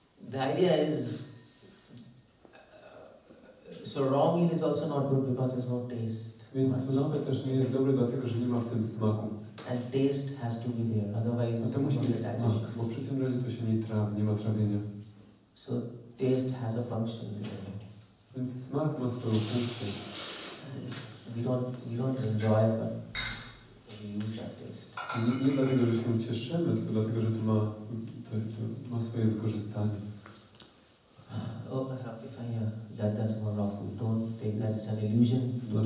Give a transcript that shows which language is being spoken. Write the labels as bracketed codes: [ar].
[en] The idea is, so raw meat is also not good because there's no taste. [pl] Więc surowe też nie jest dobre, dlatego że nie ma w tym smaku. [en] And taste has to be there, otherwise. [pl] A to musi mieć smak, bo przy tym razie to się nie ma trawienia. [en] So taste has a function. [pl] Więc smak ma swoją funkcję. [en] We don't enjoy, but we use that taste. [pl] Nie dlatego, że się cieszymy, tylko dlatego, że to ma swoje wykorzystanie. [en] Oh, if I that that's more raw food. Don't think that's an illusion.